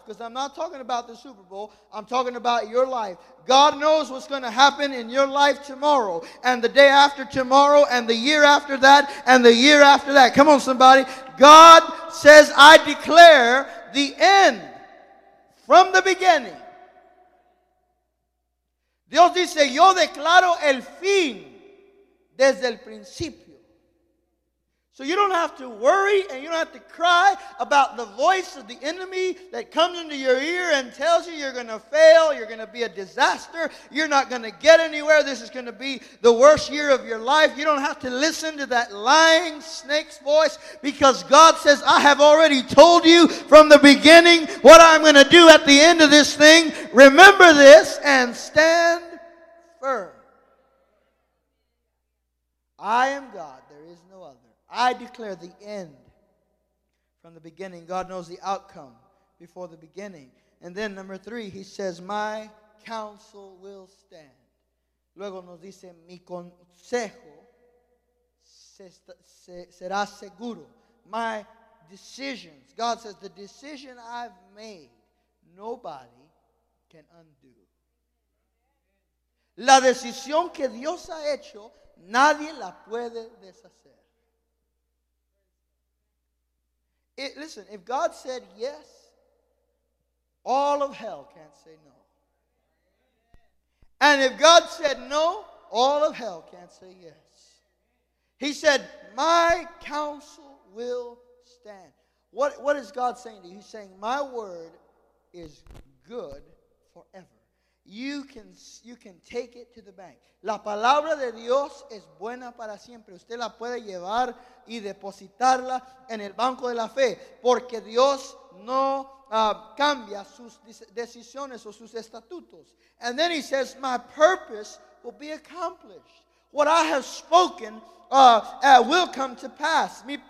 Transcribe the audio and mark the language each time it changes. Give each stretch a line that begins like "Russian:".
English: Because I'm not talking about the Super Bowl. I'm talking about your life. God knows what's going to happen in your life tomorrow. And the day after tomorrow. And the year after that. And the year after that. Come on, somebody. God says, I declare the end. from the beginning.
Spanish: Dios dice, yo declaro el fin desde el principio.
English: So you don't have to worry and you don't have to cry about the voice of the enemy that comes into your ear and tells you you're going to fail, you're going to be a disaster, you're not going to get anywhere, this is going to be the worst year of your life. You don't have to listen to that lying snake's voice, because God says, I have already told you from the beginning what I'm going to do at the end of this thing. Remember this and stand firm. I am God, there is no other. I declare the end from the beginning. God knows the outcome before the beginning. And then number three, he says, my counsel will stand.
Spanish: Luego nos dice, mi consejo será seguro.
English: My decisions. God says, the decision I've made, nobody can undo.
Spanish: La decisión que Dios ha hecho, nadie la puede deshacer.
English: Listen, if God said yes, all of hell can't say no. And if God said no, all of hell can't say yes. He said, my counsel will stand. What is God saying to you? He's saying, my word is good forever. You can take it to the bank.
Spanish: La palabra de Dios es buena para siempre. Usted la puede llevar y depositarla en el banco de la fe, porque Dios no cambia sus decisiones o sus estatutos.
English: And then he says, my purpose will be accomplished. What I have spoken will come to pass.